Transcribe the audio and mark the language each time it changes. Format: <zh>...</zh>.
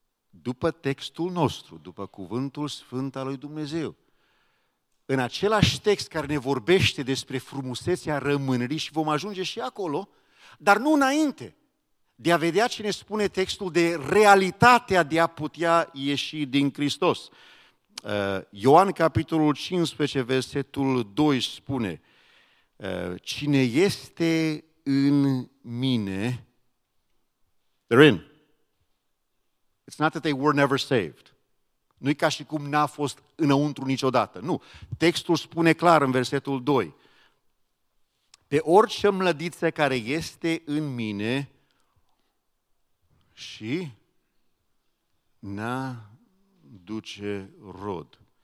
<ro>După textul nostru, după cuvântul sfânt al lui Dumnezeu, în același text care ne vorbește despre frumusețea rămânerii, și vom ajunge și acolo, dar nu înainte de a vedea ce ne spune textul de realitatea de a putea ieși din Hristos. Ioan capitolul 15, versetul 2 spune: cine este în mine,</ro> <en>they're in. It's not that they were never saved.</en> <ro>Nu-i ca și cum n-a fost înăuntru niciodată, nu. Textul spune clar în versetul 2: pe orice mlădiță care este în mine și n-aduce rod.</ro>